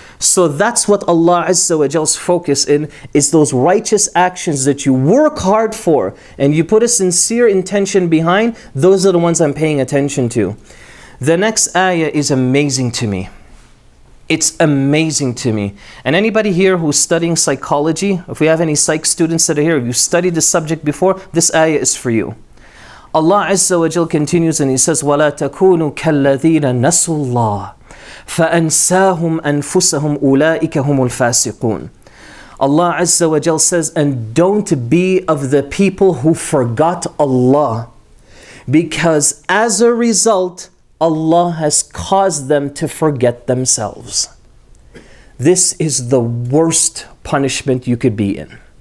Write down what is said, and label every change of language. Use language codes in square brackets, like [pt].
[en] So that's what Allah Azza wa Jalla's focus in, is those righteous actions that you work hard for and you put a sincere intention behind. Those are the ones I'm paying attention to. The next ayah is amazing to me. It's amazing to me. And anybody here who's studying psychology, if we have any psych students that are here, if you studied the subject before, this ayah is for you. Allah Azza wa Jalla continues and he says, [ar] وَلَا تَكُونُوا كَالَّذِينَ نَسُوا اللَّهِ فَأَنْسَاهُمْ أَنْفُسَهُمْ أُولَٰئِكَ هُمُ الْفَاسِقُونَ. [en] Allah Azza wa Jalla says, and don't be of the people who forgot Allah, because as a result, Allah has caused them to forget themselves. This is the worst punishment you could be in.